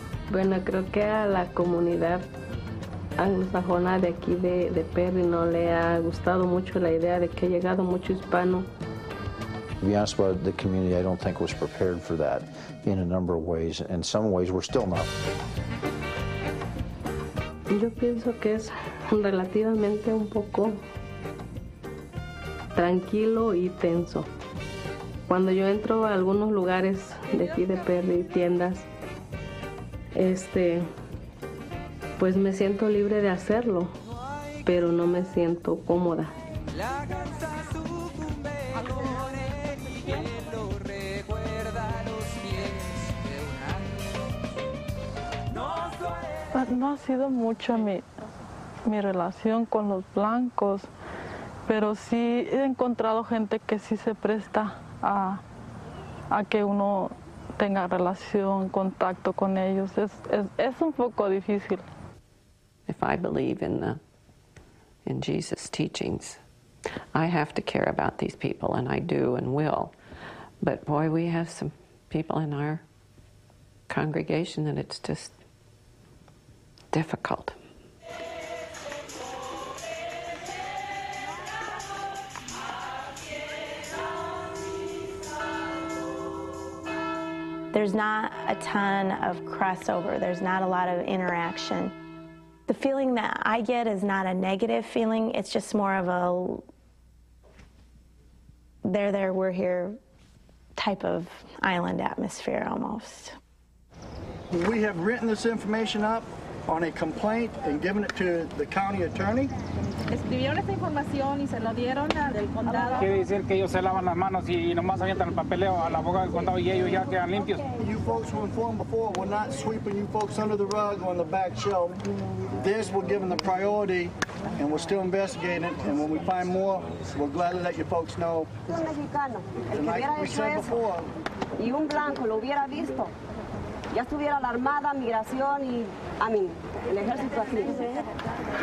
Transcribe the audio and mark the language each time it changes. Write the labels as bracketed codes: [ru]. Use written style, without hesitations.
[es] Bueno, creo que a la comunidad anglosajona de aquí de Perry no le ha gustado mucho la idea de que ha llegado mucho hispano. [en] To be honest with the community, I don't think was prepared for that in a number of ways. In some ways, we're still not. [es] Yo pienso que es relativamente un poco tranquilo y tenso. Cuando yo entro a algunos lugares de aquí de Perry, tiendas, pues me siento libre de hacerlo, pero no me siento cómoda. No ha sido mucha mi relación con los blancos, pero sí he encontrado gente que sí se presta a que uno tenga relación, contacto con ellos. Es un poco difícil. [en] If I believe in Jesus' teachings, I have to care about these people, and I do and will. But boy, we have some people in our congregation that it's just difficult. There's not a ton of crossover. There's not a lot of interaction. The feeling that I get is not a negative feeling. It's just more of a there, we're here type of island atmosphere almost. We have written this information up on a complaint and given it to the county attorney. [es] Escribieron esta información y se la dieron al del condado. Quiere decir que ellos se lavan las manos y nomás avientan el papeleo al abogado del condado y ellos ya quedan limpios. [en] You folks were informed before, we're not sweeping you folks under the rug on the back shelf. This we're given the priority and we're still investigating, and when we find more, we're glad to let you folks know. [es] Un mexicano, el que hubiera hecho eso y un blanco lo hubiera visto, ya estuviera la armada, migración y, el ejército aquí.